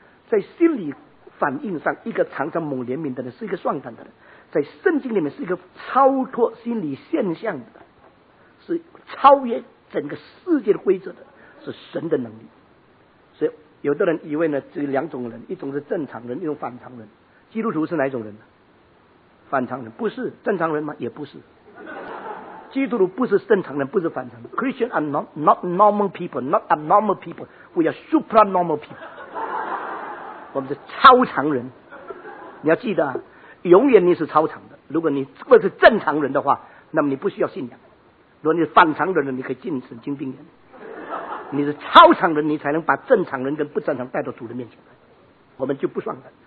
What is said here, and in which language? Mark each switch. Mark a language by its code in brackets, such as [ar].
[zh] 在心理反应上，一个常常猛怜悯的人是一个壮胆的人，在圣经里面是一个超脱心理现象的，是超越整个世界的规则的，是神的能力。所以有的人以为呢，只有两种人，一种是正常人，一种反常人。基督徒是哪一种人呢？反常人。不是正常人吗？也不是。基督徒不是正常人，不是反常人。 [en] Christians are not normal people, not abnormal people, we are supranormal people。 [zh] 我们是超常人，你要记得啊，永远你是超常的。如果你不是正常人的话，那么你不需要信仰。如果你是反常人的，你可以进神经病院。你是超常人，你才能把正常人跟不正常带到主的面前来，我们就不算了。